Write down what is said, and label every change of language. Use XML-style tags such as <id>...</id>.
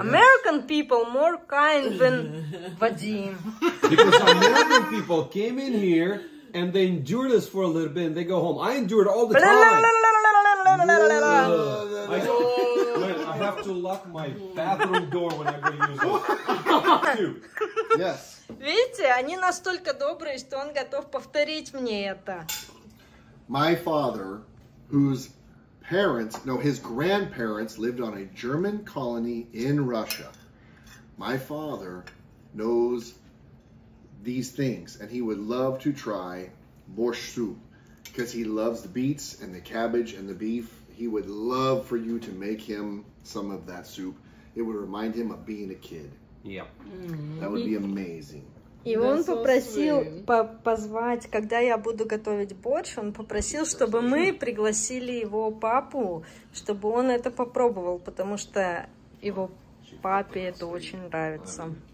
<en>American people more kind than Vadim. Because American people came in here and they endured this for a little bit and they go home. I endured all the time. I have to lock my bathroom door when I go use it. Yes.</en> <ru>Видите, они настолько добрые, что он готов повторить мне это.</ru> <en>My father, whose parents, no, his grandparents lived on a German colony in Russia. My father knows these things, and he would love to try borscht soup because he loves the beets and the cabbage and the beef. He would love for you to make him some of that soup. It would remind him of being a kid. Yep. Mm-hmm. That would be amazing.</en> <ru>И он попросил позвать, когда я буду готовить борщ, он попросил, чтобы мы пригласили его папу, чтобы он это попробовал, потому что его папе это очень нравится.</ru>